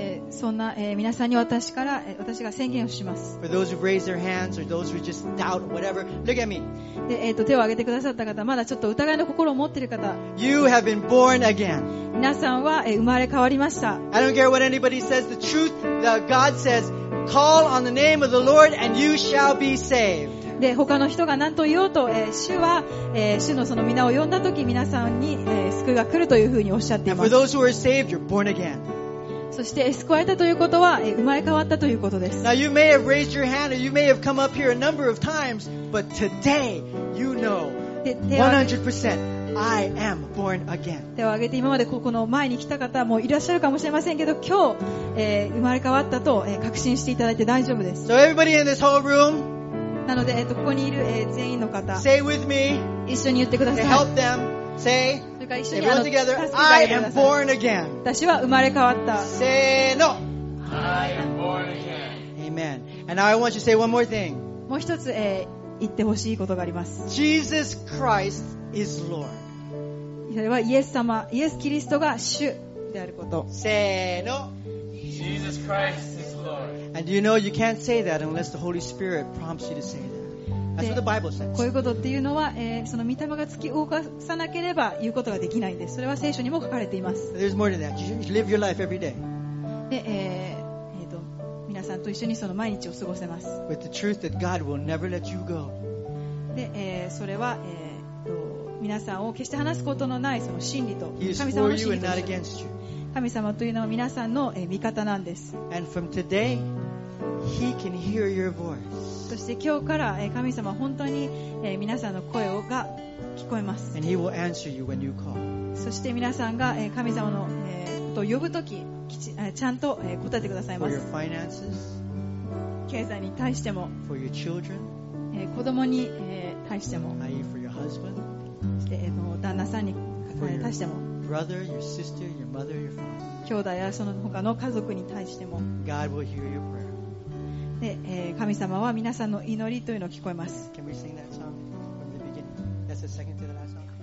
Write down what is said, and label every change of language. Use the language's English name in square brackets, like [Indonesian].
[Japanese] そんな、皆さんに私から、私が宣言をします。 [English] For those who've raised their hands or those who just doubt whatever, look at me. [Japanese] で、手を挙げてくださった方、まだちょっと疑いの心を持っている方。 [English] You have been born again. [Japanese] 皆さんは、生まれ変わりました。 [English] I don't care what anybody says, the truth that God says, call on the name of the Lord and you shall be saved. [Japanese] で他の人が何と言おうと、主は、主のその皆を呼んだ時皆さんに、救いが来るというふうにおっしゃっています。 [English] And for those who are saved, you're born again. [Japanese] そして救われたということは、生まれ変わったということです。 [English] Now you may have raised your hand or you may have come up here a number of times, but today you know 100%I am born again. [Japanese] 手を挙げて今までここの前に来た方もいらっしゃるかもしれませんけど今日、生まれ変わったと、確信していただいて大丈夫です。 [English] So everybody in this whole room [Japanese] なので、ここにいる、全員の方 [English] Say with me, [Japanese] 一緒に言ってください。 [English] Help them. Say, [Japanese] 一緒に [English] Everyone together, I am born again. [Japanese] 私は生まれ変わった。せーの。 [English] I am born again. Amen. And now I want you to say one more thing. [Japanese] もう一つ、言ってほしいことがあります。 [English] Jesus Christ is Lord. [Japanese] それはイエス様、イエスキリストが主であること。せーの。 [English] Jesus Christ is Lord. And you know you can't say that unless the Holy Spirit prompts you to say that. That's what the Bible says. [Japanese] こういうことっていうのは、その御霊が突き動かさなければ言うことができないんです。それは聖書にも書かれています。 [English] There's more than that. You live your life every day. [Japanese] で、皆さんと一緒にその毎日を過ごせます。 [English] With the truth that God will never let you go. [Japanese] で、それは、皆さんを決して話すことのないその真理と神様の真理と。 [English] He is for you and not against you. [Japanese] 神様というのは皆さんの味方なんです。 [English] And from today, he can hear your voice. [Japanese] そして今日から神様は本当に皆さんの声が聞こえます。 [English] And he will answer you when you call. [Japanese] そして皆さんが神様のことを呼ぶとき、ちゃんと答えてくださいます。 [English] For your finances, [Japanese] 経済に対しても、 [English] for your children, [Japanese] 子供に対しても、 [English] i.e. for your husband, [Japanese] そして旦那さんに対しても。 [English] Brother, your sister, your mother, your father. [Japanese] 兄弟やその他の家族に対しても [English] God will hear your prayer. [Japanese] で、神様は皆さんの祈りというのを聞こえます。 [English] Can we sing that song from the beginning? That's the second to the last song.